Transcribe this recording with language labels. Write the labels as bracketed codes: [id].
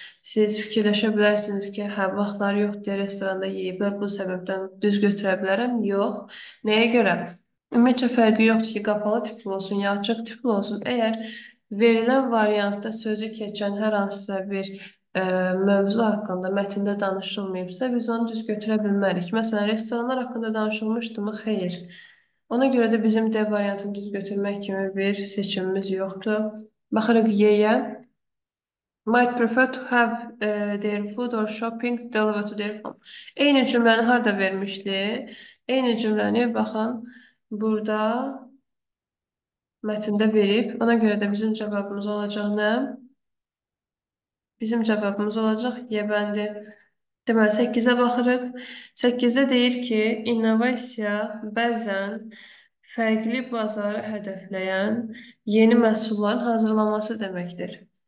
[az] Siz fikirləşə bilərsiniz ki, hə, vaxtları yoxdur restoranda yiyip, bu səbəbdən düz götürə bilərəm. Yox. Neyə görə? Ümumiyyətcə fərqi yoxdur ki, qapalı tipli olsun, ya açıq tipli olsun. Eğer verilen variantda sözü keçen her hansısa bir mövzu hakkında metinde danışılmayıbsa biz onu düz götürə bilmərik. Məsələn, restoranlar hakkında danışılmışdı mı? Hayır. Ona göre de bizim D variantını düz götürmek kimi bir seçimimiz yoxdur. Baxırıq Y'ye. [en] Might prefer to have their food or shopping delivered to their home. [az] Eyni cümləni harada vermişdi? Eyni cümləni baxın burada mətndə verib. Ona göre de bizim cevabımız olacak ne? Bizim cevabımız olacak Y bəndi. Demek 8'e baxırıq. 8'e deyir ki, innovasiya bəzən fərqli bazarı hədəfləyən yeni məhsulların hazırlanması deməkdir.